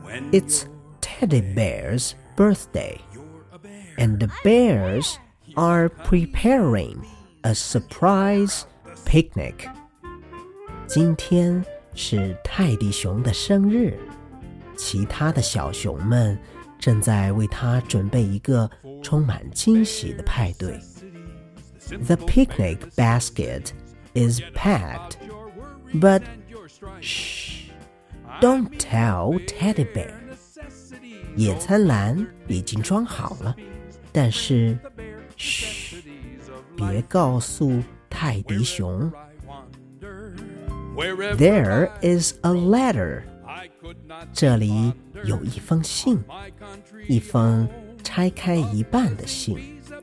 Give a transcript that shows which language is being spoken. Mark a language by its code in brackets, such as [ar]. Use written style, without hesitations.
[en] It's Teddy Bear's birthday, and the bears are preparing a surprise picnic. [zh] 今天是泰迪熊的生日，其他的小熊们正在为他准备一个充满惊喜的派对。 [en] The picnic basket is packed, but shh, don't tell Teddy Bear. [zh] 野餐篮已经装好了，但是，嘘，别告诉泰迪熊。 [en] There is a letter. [zh] 这里有一封信，一封拆开一半的信。